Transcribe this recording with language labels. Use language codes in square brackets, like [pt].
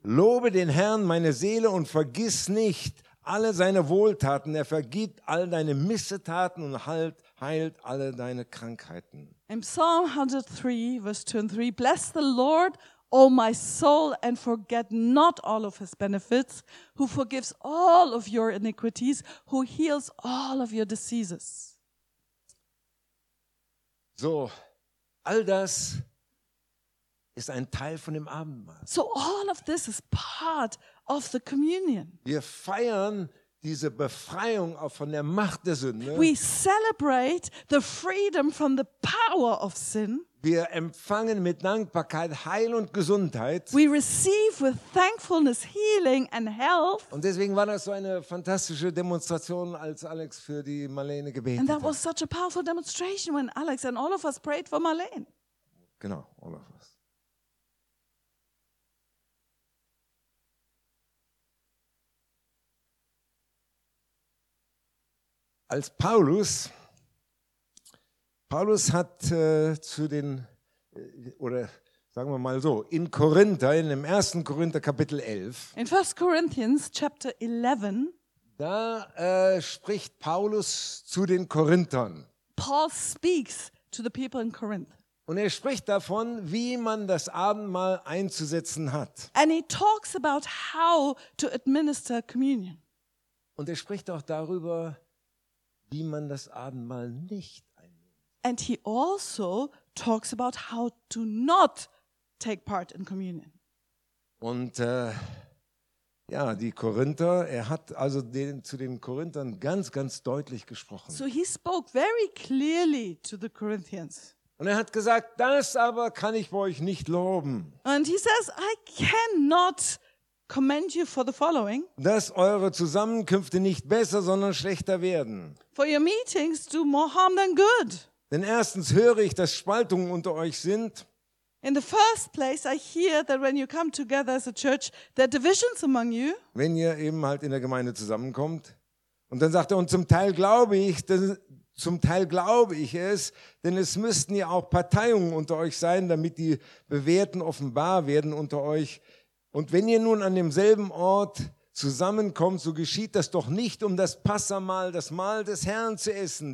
[de] lobe den Herrn, meine Seele, und vergiss nicht alle seine Wohltaten. Er vergibt all deine Missetaten und heilt alle deine Krankheiten. [en] In Psalm 103, Vers 2 and 3, bless the Lord, O my soul, and forget not all of his benefits, who forgives all of your iniquities, who heals all of your diseases. [de] So, all das ist ein Teil von dem Abendmahl. [en] So all of this is part of the communion. [de] Wir feiern diese Befreiung auch von der Macht der Sünde. [en] We celebrate the freedom from the power of sin. [de] Wir empfangen mit Dankbarkeit Heil und Gesundheit. [en] We receive with thankfulness healing and health. [de] Und deswegen war das so eine fantastische Demonstration, als Alex für die Marlene gebetet hat. [en] And that was such a powerful demonstration when Alex and all of us prayed for Marlene. Genau, all of us. [de] Als Paulus hat in Korinther, in dem 1. Korinther Kapitel 11, [en] in 1. Corinthians chapter 11, [de] da spricht Paulus zu den Korinthern. [en] Paul speaks to the people in Corinth. [de] Und er spricht davon, wie man das Abendmahl einzusetzen hat. [en] And he talks about how to administer communion. [de] Und er spricht auch darüber, wie man das Abendmahl nicht einnimmt. [en] And he also talks about how to not take part in communion. [de] Und Ja, die Korinther, er hat also zu den Korinthern ganz, ganz deutlich gesprochen. [en] So he spoke very clearly to the Corinthians. [de] Und er hat gesagt, das aber kann ich bei euch nicht loben. [en] And he says, I cannot commend you for the following. [de] Dass eure Zusammenkünfte nicht besser, sondern schlechter werden. [en] For your meetings do more harm than good. [de] Denn erstens höre ich, dass Spaltungen unter euch sind. [en] In the first place I hear that when you come together as a church there are divisions among you. [de] Wenn ihr eben halt in der Gemeinde zusammenkommt und dann sagt er und zum Teil glaube ich es, denn es müssten ja auch Parteien unter euch sein, damit die Bewährten offenbar werden unter euch. Und wenn ihr nun an demselben Ort zusammenkommt, so geschieht das doch nicht, um das Passamahl, das Mahl des Herrn zu essen.